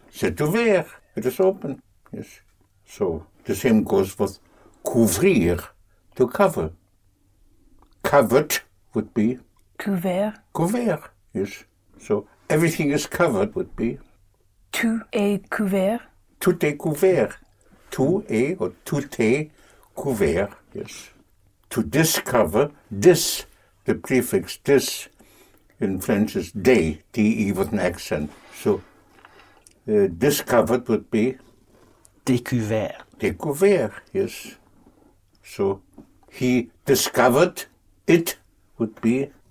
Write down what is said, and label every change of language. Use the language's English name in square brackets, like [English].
[French] C'est ouvert. [English] It is open. Yes. So the same goes with couvrir, to cover. Covered would be? [French] Couvert. Couvert. Yes. [English] So everything is covered would be? [French] Tout est couvert. Tout est couvert. Tout est or tout est couvert. [English] Yes. To discover, dis, the prefix dis in French is de, D-E with an accent. So discovered would be? Découvert. Découvert, yes. So he discovered it would be?